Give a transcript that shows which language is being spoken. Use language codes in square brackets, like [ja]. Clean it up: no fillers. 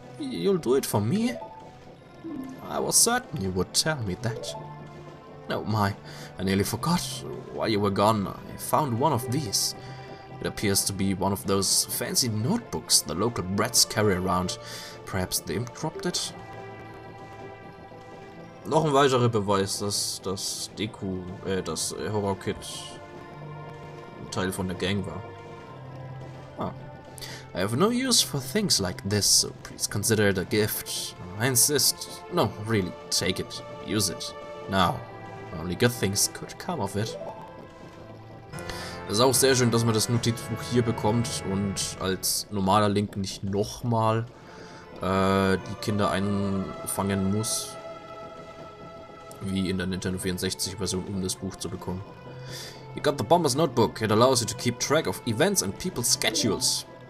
[en] You'll do it for me? I was certain you would tell me that. Oh my, I nearly forgot. While you were gone, I found one of these. It appears to be one of those fancy notebooks the local brats carry around. Perhaps the imp dropped it? [de] Noch ein weiterer Beweis, dass das Deku, das Horror Kid Teil von der Gang war. [en] Ah. I have no use for things like this, so please consider it a gift. I insist. No, really, take it. Use it. Now. Only good things could come of it. [de] Es ist auch sehr schön, dass man das Notizbuch hier bekommt und als normaler Link nicht nochmal die Kinder einfangen muss, wie in der Nintendo 64 Version, um das Buch zu bekommen. [en] You got the Bomber's Notebook. It allows you to keep track of events and people's schedules.